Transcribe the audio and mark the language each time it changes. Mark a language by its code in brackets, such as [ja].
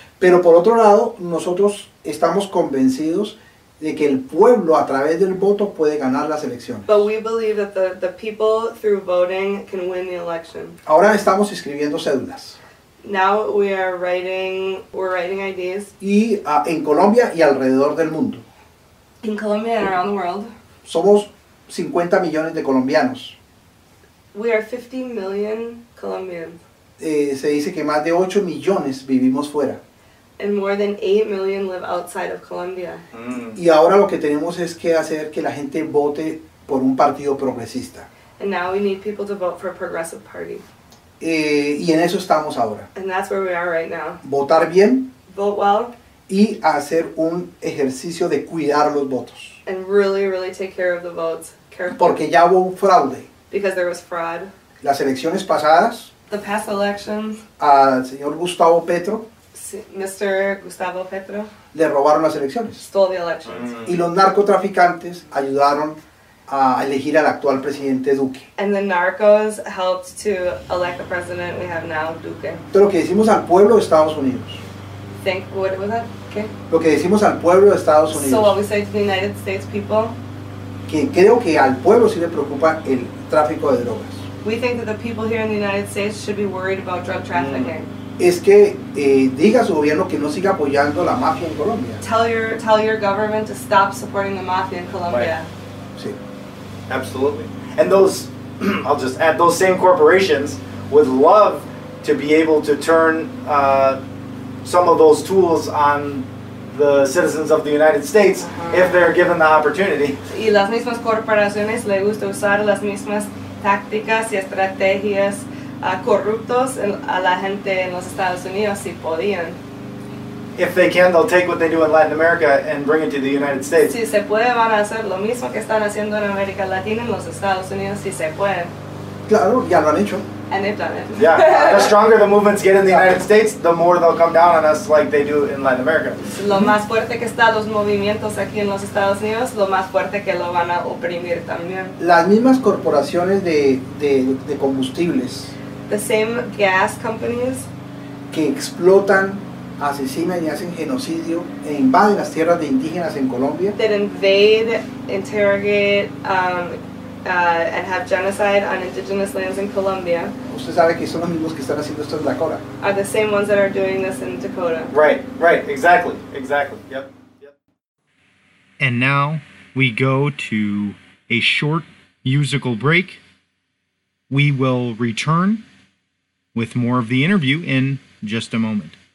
[es] Pero por otro lado, nosotros estamos convencidos de que el pueblo a través del voto puede ganar las elecciones. [en] But we believe that the people through voting can win the election. [es] Ahora estamos escribiendo cédulas. [en] Now we're writing IDs. [es] Y en Colombia y alrededor del mundo. [en] In Colombia and around the world. [es] Somos 50 millones de colombianos. [en] We are 50 million Colombians. [es] Se dice que más de 8 millones vivimos fuera. [en] And more than 8 million live outside of Colombia. [es] Y ahora lo que tenemos es que hacer que la gente vote por un partido progresista. [en] And now we need people to vote for a progressive party. [es] Y en eso estamos ahora. [en] And that's where we are right now. [es] Votar bien. [en] Vote well. [es] Y hacer un ejercicio de cuidar los votos. [en] And really, really take care of the votes. Carefully. [es] Porque ya hubo un fraude. [en] Because there was fraud. [es] Las elecciones pasadas. [en] The past elections. [es] Al señor Gustavo Petro. [en] Mr. Gustavo Petro. [es] Le robaron las elecciones. [en] Stole the elections. [es] Y los narcotraficantes ayudaron a elegir al actual presidente Duque. [en] And the narcos helped to elect the president we have now, Duque. [es] Pero lo que decimos al pueblo de Estados Unidos. [en] Think, what was that? Okay. [es] Lo que decimos al pueblo de Estados Unidos. [en] So what we say to the United States people. [es] Que creo que al pueblo sí le preocupa el tráfico de drogas. [en] We think that the people here in the United States should be worried about drug trafficking. [es] Es que diga a su gobierno que no siga apoyando la mafia en Colombia. [en] Tell your government to stop supporting the mafia in Colombia. Right. Sí. Absolutely. And those, I'll just add, those same corporations would love to be able to turn some of those tools on the citizens of the United States if they're given the opportunity. [es] Y las mismas corporaciones le gusta usar las mismas tácticas y estrategias corruptos a la gente en los Estados Unidos si podían. [en] If they can, they'll take what they do in Latin America and bring it to the United States. [es] Si se puede, van a hacer lo mismo que están haciendo en América Latina en los Estados Unidos si se puede. Claro, ya lo han hecho. [en] And they've done it. Yeah, the stronger the movements get in the United States, the more they'll come down on us like they do in Latin America. [es] Lo más fuerte que están los movimientos aquí en los Estados Unidos, lo más fuerte que lo van a oprimir también. Las mismas corporaciones de combustibles. [en] The same gas companies [es] que explotan, asesinan y hacen genocidio e invaden las tierras de indígenas en Colombia. [en] That invade, interrogate, and have genocide on indigenous lands in Colombia. [es] Usted sabe que son los mismos que están haciendo esto en Dakota. [en] Are the same ones that are doing this in Dakota. Right, right, exactly, exactly, yep. And now we go to a short musical break. We will return with more of the interview in just a moment.